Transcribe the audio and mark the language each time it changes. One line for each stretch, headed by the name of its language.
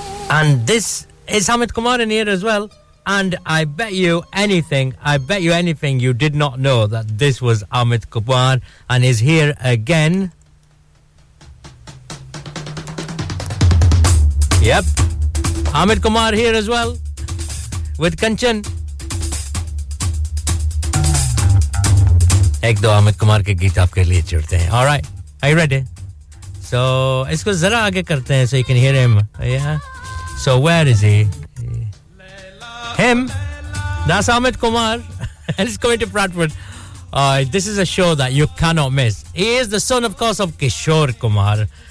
English: And this is Amit Kumar in here as well. And I bet you anything you did not know that this was Amit Kumar and is here again. Yep. Amit Kumar here as well with Kanchan.
Hindi: एक दो अमित कुमार के गीत आपके लिए छोड़ते हैं.
English: All right, are you ready? So
Hindi: इसको जरा आगे करते हैं
English: so you can hear him. Yeah. So where is he? Him? That's Amit Kumar. He's coming to Bradford. This is a show that you cannot miss. He is the son, of course, of Kishore Kumar.